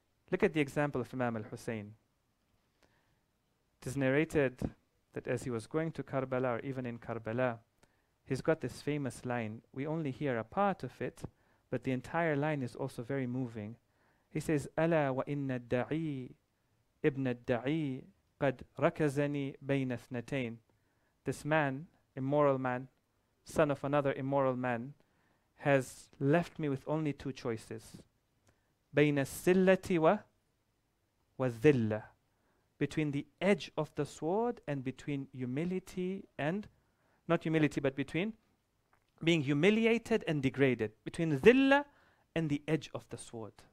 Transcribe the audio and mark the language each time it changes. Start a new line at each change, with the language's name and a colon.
English: Look at the example of Imam al-Husayn. It is narrated that as he was going to Karbala, or even in Karbala, he's got this famous line. We only hear a part of it, but the entire line is also very moving. He says,
Arabic: أَلَا وَإِنَّ الدَّعِي إِبْنَ الدَّعِي قَدْ رَكَزَنِي بَيْنَ اثْنَتَيْنِ.
English: This man, immoral man, son of another immoral man, has left me with only two choices.
Arabic: بَيْنَ السِّلَّةِ وَالذِلَّةِ,
English: between the edge of the sword and between humility and, not humility, but between being humiliated and degraded, between dhilla and the edge of the sword.